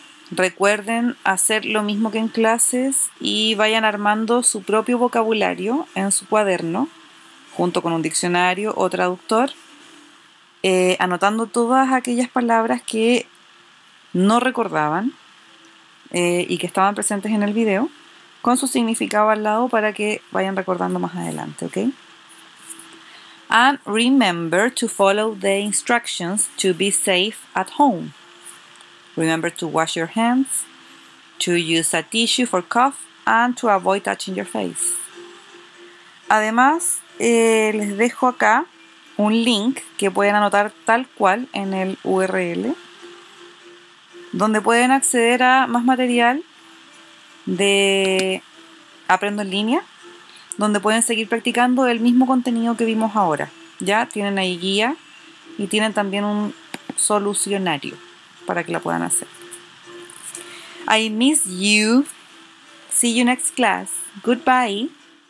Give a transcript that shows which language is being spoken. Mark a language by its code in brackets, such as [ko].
[es] Recuerden hacer lo mismo que en clases y vayan armando su propio vocabulario en su cuaderno junto con un diccionario o traductor, anotando todas aquellas palabras que no recordaban y que estaban presentes en el video con su significado al lado para que vayan recordando más adelante, ¿ok? [en] And remember to follow the instructions to be safe at home. Remember to wash your hands, to use a tissue for cough, and to avoid touching your face. [es] Además, les dejo acá un link que pueden anotar tal cual en el URL donde pueden acceder a más material de Aprendo en Línea, donde pueden seguir practicando el mismo contenido que vimos ahora. Ya tienen ahí guía y tienen también un solucionario para que la puedan hacer. [en] I miss you. See you next class. Goodbye.